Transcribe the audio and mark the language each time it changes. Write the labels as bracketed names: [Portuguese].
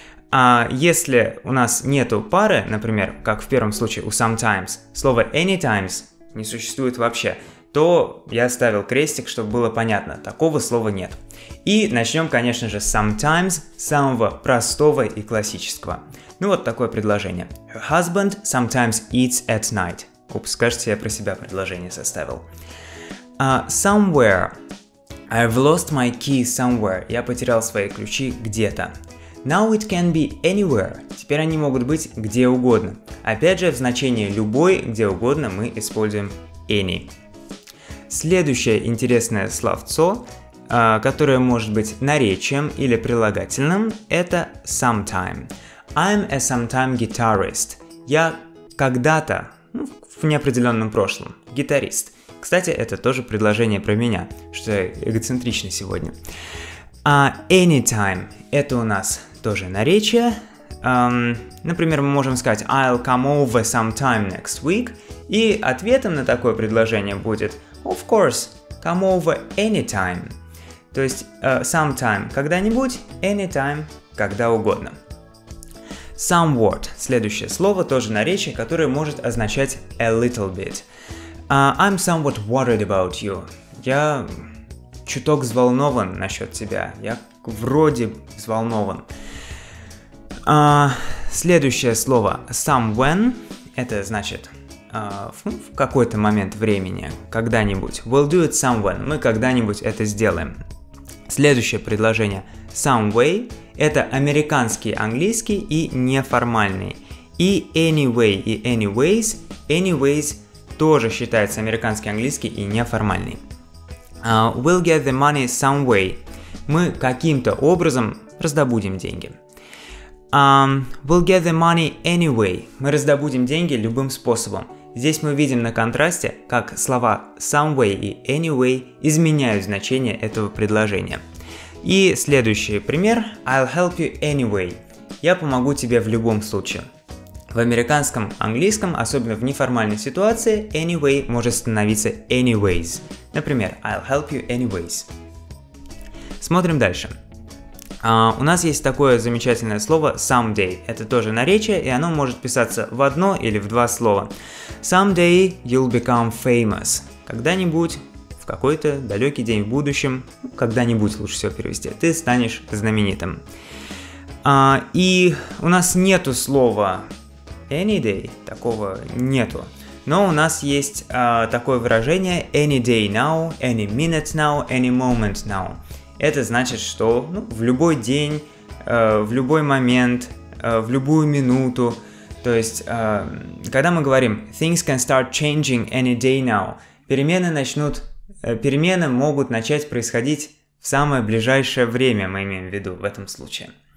[Russian] А если у нас нету пары, например, как в первом случае у sometimes, слово any times не существует вообще, то я ставил крестик, чтобы было понятно, такого слова нет. И начнем, конечно же, с sometimes, самого простого и классического. Ну вот такое предложение. [English] Her husband sometimes eats at night. [Russian] Упс, кажется, я про себя предложение составил. [English] Somewhere. I've lost my key somewhere. [Russian] Я потерял свои ключи где-то. [English] Now it can be anywhere. [Russian] Теперь они могут быть где угодно. Опять же, в значении любой, где угодно, мы используем any. Следующее интересное словцо, которое может быть наречием или прилагательным, это sometime. [English] I'm a sometime guitarist. [Russian] Я когда-то, в неопределенном прошлом, гитарист. Кстати, это тоже предложение про меня, что я эгоцентричен сегодня. Anytime. Это у нас тоже наречие. Например, мы можем сказать [English] I'll come over sometime next week. [Russian] И ответом на такое предложение будет [English] Of course, come over anytime. [Russian] То есть sometime – когда-нибудь, anytime – когда угодно. Somewhat – следующее слово, тоже наречие, которое может означать [English] a little bit. I'm somewhat worried about you. [Russian] Я чуток взволнован насчет тебя. Я вроде взволнован. Следующее слово – somewhen – это значит в какой-то момент времени, когда-нибудь. [English] We'll do it somewhen. [Russian] Мы когда-нибудь это сделаем. Следующее предложение. [English] Some way. [Russian] Это американский, английский и неформальный. И anyway, и anyways. Anyways тоже считается американский, английский и неформальный. [English] We'll get the money some way. [Russian] Мы каким-то образом раздобудем деньги. [English] We'll get the money anyway. [Russian] Мы раздобудем деньги любым способом. Здесь мы видим на контрасте, как слова some way и anyway изменяют значение этого предложения. И следующий пример. [English] I'll help you anyway. [Russian] Я помогу тебе в любом случае. В американском, английском, особенно в неформальной ситуации, anyway может становиться anyways. Например, [English] I'll help you anyways. [Russian] Смотрим дальше. У нас есть такое замечательное слово someday. Это тоже наречие, и оно может писаться в одно или в два слова. [English] Someday you'll become famous. [Russian] Когда-нибудь, в какой-то далекий день в будущем, когда-нибудь лучше всего перевести, ты станешь знаменитым. И у нас нету слова any day, такого нету. Но у нас есть такое выражение [English] any day now, any minute now, any moment now. [Russian] Это значит, что в любой день, в любой момент, в любую минуту. То есть, когда мы говорим [English] things can start changing any day now, [Russian] перемены могут начать происходить в самое ближайшее время, мы имеем в виду в этом случае.